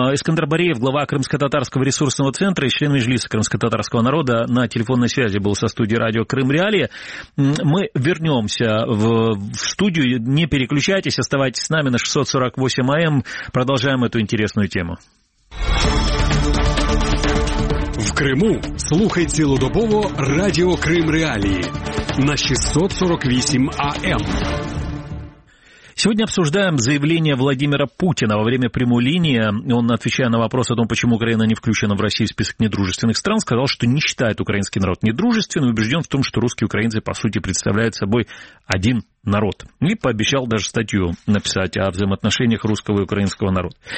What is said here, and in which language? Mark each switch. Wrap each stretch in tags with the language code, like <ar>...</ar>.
<ru>Искандер Бариев, глава Крымско-Татарского ресурсного центра и член Межлиса Крымско-Татарского народа, на телефонной связи был со студией радио «Крым Реалии». Мы вернемся в студию, не переключайтесь, оставайтесь с нами на 648 АМ, продолжаем эту интересную тему.</ru> <uk>В Криму слухайте цілодобово Радіо Крим Реалії на 648 АМ.</uk> <ru>Сегодня обсуждаем заявление Владимира Путина во время прямой линии. Он, отвечая на вопрос о том, почему Украина не включена в Россию в список недружественных стран, сказал, что не считает украинский народ недружественным, убежден в том, что русские украинцы, по сути, представляют собой один народ. И пообещал даже статью написать о взаимоотношениях русского и украинского народа.</ru>